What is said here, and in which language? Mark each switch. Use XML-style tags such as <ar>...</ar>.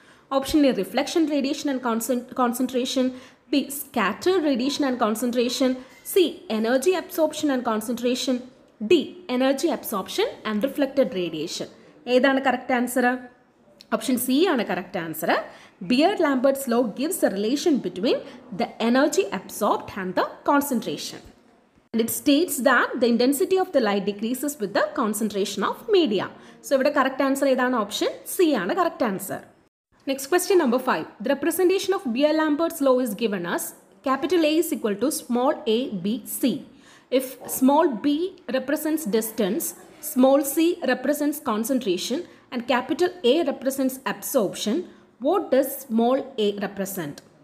<en>Option A, reflection radiation and concentration; B, scattered radiation and concentration; C, energy absorption and concentration; D, energy absorption and reflected radiation.</en> <ml>ഏതാണ് correct answer? Option C ആണ് correct answer.</ml> <en>Beer Lambert's law gives a relation between the energy absorbed and the concentration. And it states that the intensity of the light decreases with the concentration of media. So,</en> <ml>ഇവിടെ correct answer ഏതാണ്? Option C ആണ് correct answer.</ml> <en>Next question number 5, the representation of Beer Lambert's law is given as capital A is equal to small a b c. If small b represents distance, small c represents concentration, and capital A represents absorption, what does small a represent?</en>